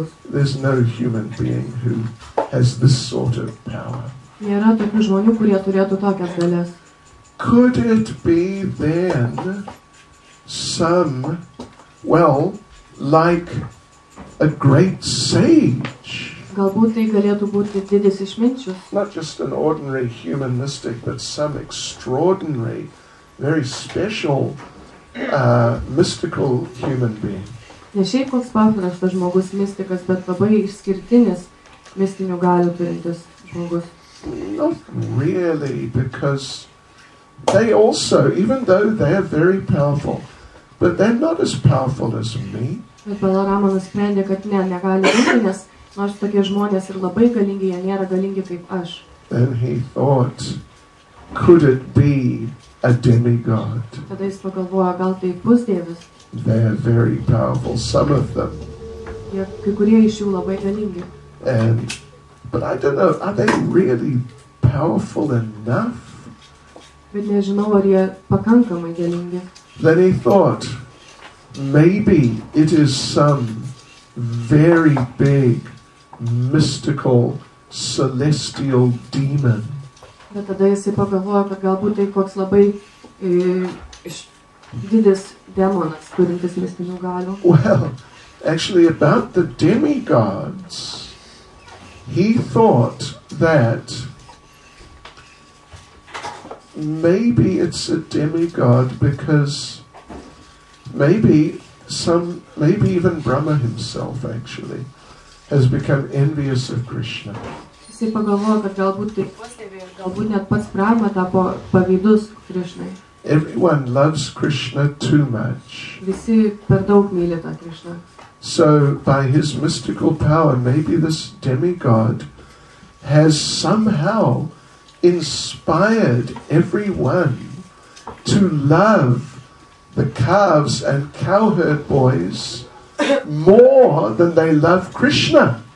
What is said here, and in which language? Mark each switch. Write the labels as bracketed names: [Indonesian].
[English] There's no human being who has this sort of power. Could it be then some, well, like a great sage? [Lithuanian] Galbūt tai galėtų būti didis išminčius. [English] Not just an ordinary human mystic, but some extraordinary, very special mystical human being. [Lithuanian] Ne šiaip koks paprastas žmogus mystikas, bet labai išskirtinis mystinių galių turintis žmogus. [English] Not really, because they also, even though they are very powerful, but they're not as powerful as me. [Lithuanian] Bet Balarama nusprendė, kad ne, negali būti, nes nors tokie žmonės ir labai galingi, jie nėra galingi kaip aš. [English] Then he thought, could it be a demigod? [Lithuanian] Tada jis pagalvojo, gal tai bus dievis? [English] They are very powerful, some of them. [Lithuanian] Jie, kai kurie iš jų labai galingi. [English] And, but I don't know, are they really powerful enough? [Lithuanian] Bet nežinau, ar jie pakankamai galingi. [English] Then he thought, maybe it is some very big, mystical, celestial demon. [Lithuanian] Bet tada jisai pagalvojo, kad galbūt tai koks labai didis demonas, turintis mistinių galių. [English] Well, actually about the demigods, he thought that maybe it's a demigod because maybe even Brahma himself actually has become envious of Krishna. [Lithuanian] Jisai pagalvojo, kad galbūt tai pastebėjo, galbūt net pats Brahma tapo pavydus Krishnai. [English] Everyone loves Krishna too much. [Lithuanian] Visi per daug myli tą Krishna. [English] So by his mystical power, maybe this demigod has somehow inspired everyone to love the calves and cowherd boys more than they love Krishna.